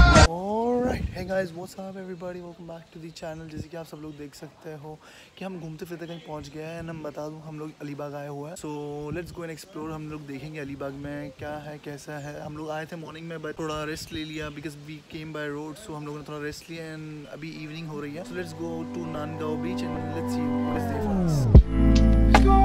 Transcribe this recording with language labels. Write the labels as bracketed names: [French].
[English] Alright, hey guys, what's up everybody? Welcome back to the channel. [Hindi] जैसे कि आप सब लोग देख सकते हो कि हम घूमते फिरते कहीं पहुंच गए हैं. हम बता दूं हम लोग अलीबाग आए हुए हैं. [English] So let's go and explore. [Hindi] हम लोग देखेंगे अलीबाग में क्या है कैसा है. हम लोग आए थे मॉर्निंग में बट थोड़ा रेस्ट ले लिया [English] Because we came by road. [Hindi] सो हम लोगों ने थोड़ा रेस्ट लिया एंड अभी इवनिंग हो रही है. [English] So let's go to Nangaon beach and let's see what is there for us.